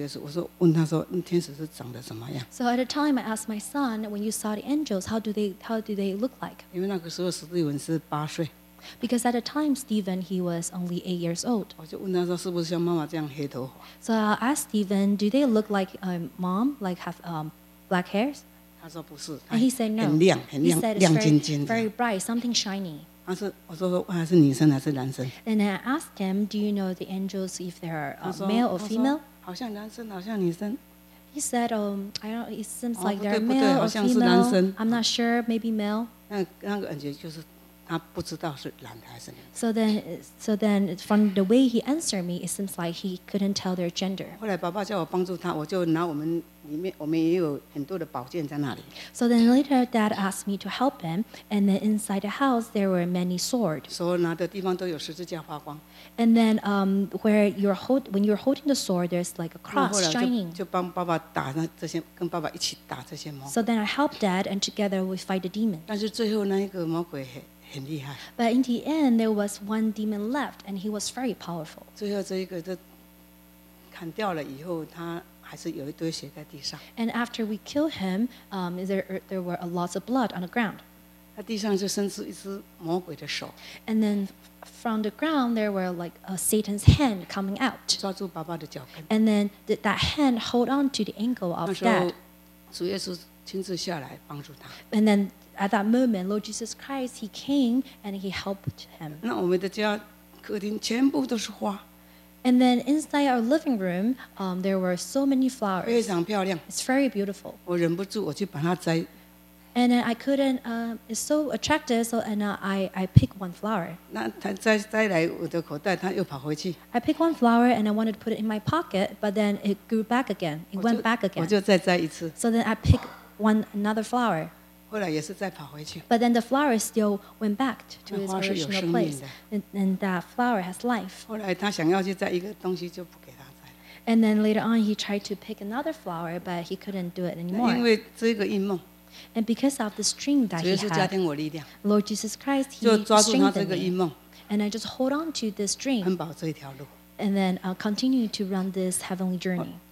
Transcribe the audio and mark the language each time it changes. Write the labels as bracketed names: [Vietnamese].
[Chinese] 那时候我就问他，我没有问他主耶稣，我说问他说，天使是长得怎么样？ [English] So at a time I asked my son, when you saw the angels, how do they look like? [Chinese] 因为那个时候史蒂文是八岁。 [English] Because at a time Stephen he was only 8 years old. [Chinese] 我就问他说，是不是像妈妈这样黑头发？ [English] So I asked Stephen, do they look like mom, like have black hairs? [Chinese] 他说不是，他很亮， [English] and he said no. [Chinese] 很亮，亮晶晶的。 [English] Very bright, something shiny. [Chinese] 他是，我说还是女生还是男生？ [English] And I asked him, do you know the angels if they are male or female? [Chinese] 好像男生，好像女生。 [English] He said, I don't. It seems like they're male or female. [Chinese] 好像是男生。 [English] I'm not sure, maybe male. [Chinese] 那个感觉就是他不知道是男的还是女的。 [English] So then, from the way he answered me, it seems like he couldn't tell their gender. [Chinese] 后来爸爸叫我帮助他，我就拿我们。 [English] So then later, Dad asked me to help him, and then inside the house, there were many swords. And then when you're holding the sword, there's like a cross shining. [Chinese] 就帮爸爸打那这些, [English] so then I helped Dad, and together we fight the demon. [Chinese] 但是最后那一个魔鬼很厉害。 [English] But in the end, there was one demon left, and he was very powerful. [Chinese] 最后这一个就砍掉了以后，他 [English] And after we killed him, there were lots of blood on the ground. [Chinese] 他地上就伸出一只魔鬼的手。 [English] And then from the ground, there were like a Satan's hand coming out. [Chinese] 抓住爸爸的脚跟。 [English] And then that hand hold on to the ankle of dad. [Chinese] 主耶稣亲自下来帮助他。 [English] And then at that moment, Lord Jesus Christ, he came and he helped him. [Chinese] 那我们的家客厅全部都是花。 [English] And then inside our living room, there were so many flowers. [Chinese] 非常漂亮。 [English] It's very beautiful. [Chinese] 我忍不住我去把它摘。 [English] And I couldn't, it's so attractive, so and, I picked one flower. [Chinese] 那他摘来我的口袋，他又跑回去。 [English] I picked one flower and I wanted to put it in my pocket, but then it grew back again. It went back again. [Chinese] 我就再摘一次。 [English] So then I picked one, another flower. [Chinese] 后来也是再跑回去。 [English] But then the flower still went back to its original place. And that flower has life. [Chinese] 后来他想要去摘一个东西就不给他。 [English] And then later on, he tried to pick another flower, but he couldn't do it anymore. [Chinese] 因为这个异梦。 [English] And because of the strength that he had, Lord Jesus Christ, he strengthened me. And I just hold on to this dream. And then I'll continue to run this heavenly journey.